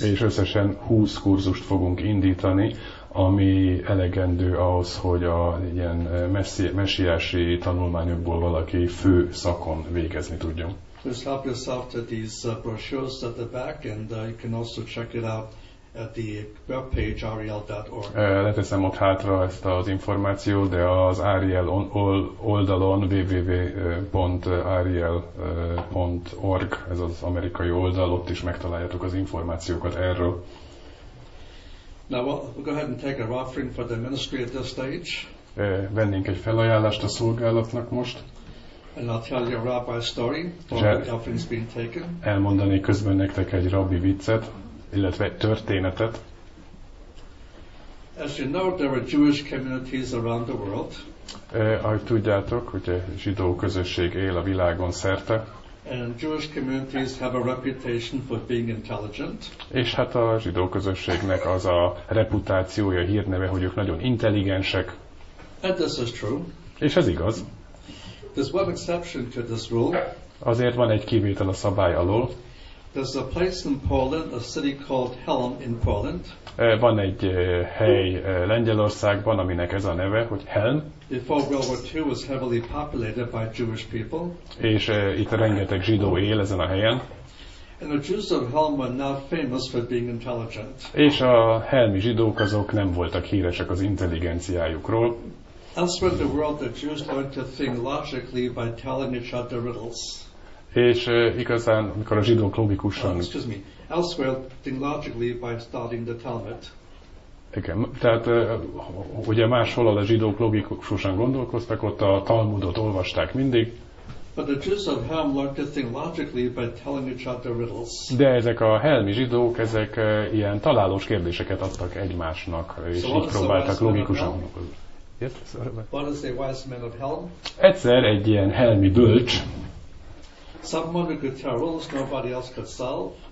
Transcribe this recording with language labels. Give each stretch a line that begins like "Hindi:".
Hungarian: És összesen 20 kurzust fogunk indítani, ami elegendő ahhoz, hogy a ilyen messiási tanulmányokból valaki fő szakon végezni tudjon.
English: Please help yourself to these brochures at the back, and you can also check it out at the webpage ariel.org.
Hungarian: Leteszem ott hátra ezt az információt, de az Ariel oldalon www.ariel.org, ez az amerikai oldal, ott is megtaláljátok az információkat erről.
English: Now we'll go ahead and take an offering for the ministry at this stage.
Hungarian: Vennénk egy felajánlást a szolgálatnak most.
English: And I'll tell you a rabbi story for the offering's been taken.
Hungarian: Elmondani közben nektek egy rabbi viccet, illetve egy történetet.
English: As you know, there are Jewish communities around the world.
Hungarian: Ahogy tudjátok, ugye zsidó közösség él a világon szerte.
English: And Jewish communities have a reputation for being intelligent.
Hungarian: És hát a zsidó közösségnek az a reputációja, hírneve, hogy ők nagyon intelligensek.
English: And this is true.
Hungarian: És ez igaz.
English: There's one exception to this rule.
Hungarian: Azért van egy kivétel a szabály alól.
English: There's a place in Poland, a city called Helm in Poland.
Hungarian: Van egy hely Lengyelországban, aminek ez a neve, hogy Helm.
English: Before World War II was heavily populated by Jewish people.
Hungarian: És itt rengeteg zsidó él ezen a helyen.
English: And the Jews of Helm were not famous for being intelligent.
Hungarian: És a helmi zsidók azok nem voltak híresek az intelligenciájukról.
English: Elsewhere in the world, the Jews learned to think logically by telling each other riddles.
Hungarian: És igazán, amikor a zsidók logikusan...
English: Elsewhere, think logically by studying the Talmud.
Hungarian: Igen, tehát ugye máshol a zsidók logikusan gondolkoztak, ott a Talmudot olvasták mindig.
English: But the Jews of Helm learned to think logically by telling each other riddles.
Hungarian: De ezek a helmi zsidók, ezek ilyen találós kérdéseket adtak egymásnak, és
English: so
Hungarian: így próbáltak logikusan gondolkozni.
English: What is a wise man of Helm?
Hungarian: Egyszer egy ilyen helmi bölcs,
English: someone who could tell rules nobody else could solve.